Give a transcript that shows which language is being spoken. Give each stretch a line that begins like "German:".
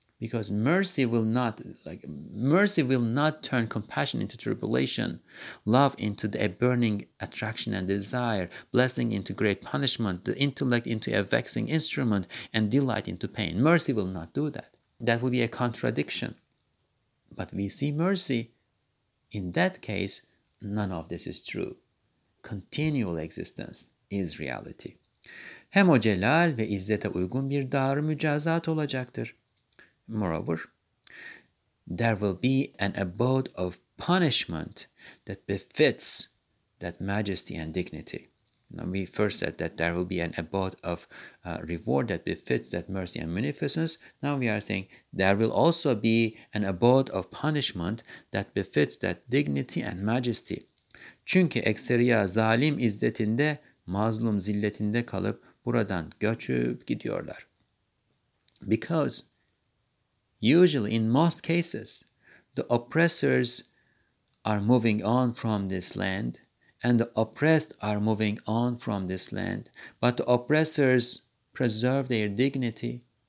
English: Because mercy will not turn compassion into tribulation, love into a burning attraction and desire, blessing into great punishment, the intellect into a vexing instrument, and delight into pain. Mercy will not do that. That would be a contradiction. But we see mercy. In that case, none of this is true. Continual existence is reality.
Turkish: Hem o celal ve izzete uygun bir dar mücazat olacaktır.
English: Moreover, there will be an abode of punishment that befits that majesty and dignity. Now, we first said that there will be an abode of reward that befits that mercy and munificence. Now we are saying there will also be an abode of punishment that befits that dignity and majesty.
Turkish: Çünkü ekseriya zalim izzetinde, mazlum zilletinde kalıp buradan göçüp gidiyorlar.
English: Because usually in most cases the oppressors are moving on from this land and the oppressed are moving on from this land, but the oppressors preserve their dignity.